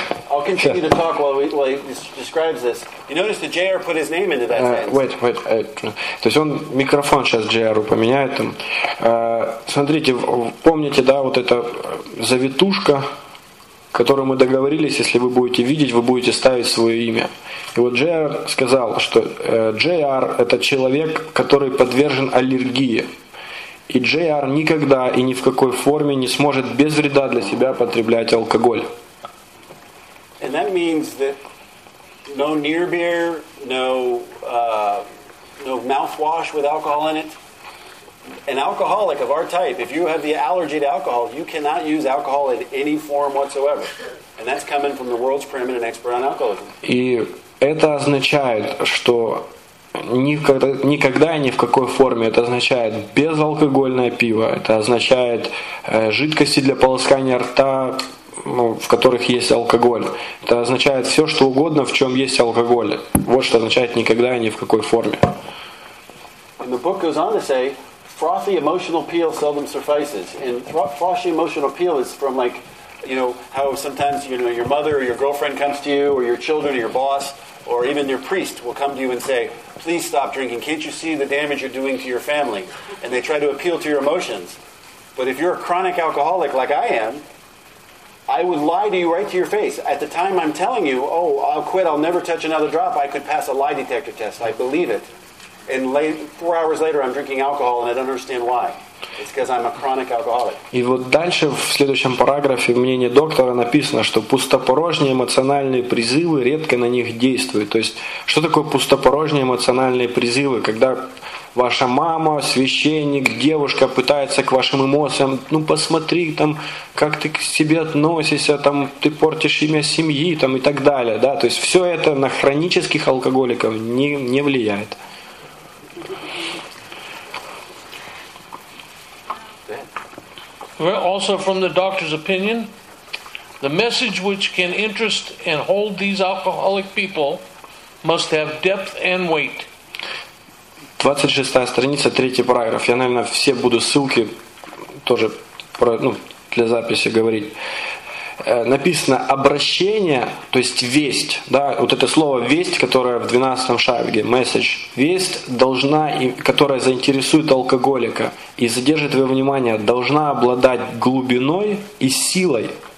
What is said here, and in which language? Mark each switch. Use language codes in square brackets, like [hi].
[en] I'll continue to talk while he describes this. You notice that JR put his name into that sentence. [ru] То есть он микрофон сейчас JR поменяет. Смотрите, помните, да, вот эта завитушка, которую мы договорились, если вы будете видеть, вы будете ставить свое имя. И вот JR сказал, что JR это человек, который подвержен аллергии. И JR никогда и ни в какой форме не сможет без вреда для себя потреблять алкоголь. [en] And that means that no near beer, no mouthwash with alcohol in it. An alcoholic of our type, if you have the allergy to alcohol, you cannot use alcohol in any form whatsoever. And that's coming from the world's preeminent expert on alcoholism. [ru] И это означает, что никогда и ни в какой форме. Это означает безалкогольное пиво, это означает жидкости для полоскания рта, ну, в которых есть алкоголь. Это означает все, что угодно, в чем есть алкоголь. Вот что означает никогда и ни в какой форме. [en] And the book goes on to say, frothy emotional appeal seldom suffices. And frothy emotional appeal is from like, you know, how sometimes, you know, your mother or your girlfriend comes to you, or your children or your boss, or even your priest will come to you and say, please stop drinking. Can't you see the damage you're doing to your family? And they try to appeal to your emotions. But if you're a chronic alcoholic like I am, I would lie to you right to your face. At the time I'm telling you, oh, I'll quit, I'll never touch another drop, I could pass a lie detector test. I believe it. And late, 4 hours later I'm drinking alcohol and I don't understand why. It's because I'm a chronic alcoholic. [ru] И вот дальше в следующем параграфе в мнении доктора написано, что пустопорожние эмоциональные призывы редко на них действуют. То есть, что такое пустопорожние эмоциональные призывы? Когда ваша мама, священник, девушка пытается к вашим эмоциям, ну посмотри, там, как ты к себе относишься, там, ты портишь имя семьи, там, и так далее. Да? То есть, все это на хронических алкоголиков не влияет. [en] Well, also from the doctor's opinion, the message which can interest and hold these alcoholic people must have depth and weight. [ru] 26-я страница, 3-й параграф. Я, наверное, все буду ссылки тоже про, ну, для записи говорить. Написано обращение, то есть весть, да, вот это слово весть, которое в 12-м шаге, message, весть должна, которая заинтересует алкоголика и задержит его внимание, должна обладать глубиной и силой.